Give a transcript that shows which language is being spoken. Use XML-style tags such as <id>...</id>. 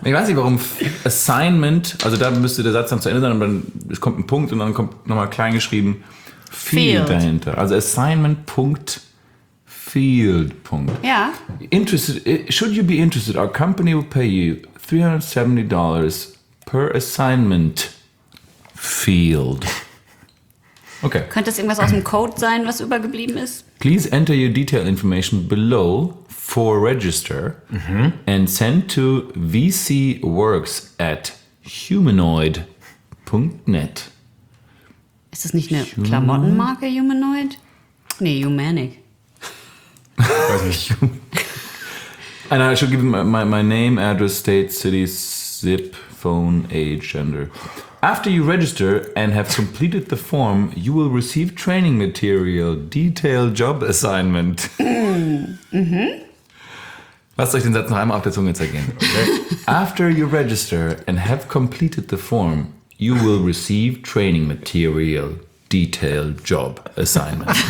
<de>Ich weiß nicht, warum assignment, also da müsste der Satz dann zu Ende sein, aber dann es kommt ein Punkt und dann kommt nochmal klein geschrieben field dahinter. Also assignment, punkt. Field. Ja.</de> <en>Interested, should you be interested, our company will pay you $370 per assignment field.</en> <de>Okay. Könnte das irgendwas aus dem Code sein, was übergeblieben ist?</de> <en>Please enter your detail information below for register and send to vcworks@humanoid.net.</en> <de>Ist das nicht eine Klamottenmarke, Humanoid? Nee, Humanic.</de> <en>And I should give my name, address, state, city, zip, phone, age, gender. After you register and have completed the form, you will receive training material, detailed job assignment.</en> <de>Lasst euch den Satz noch einmal auf der Zunge zergehen.</de> <en>After you register and have completed the form, you will receive training material, detailed job assignment.</en>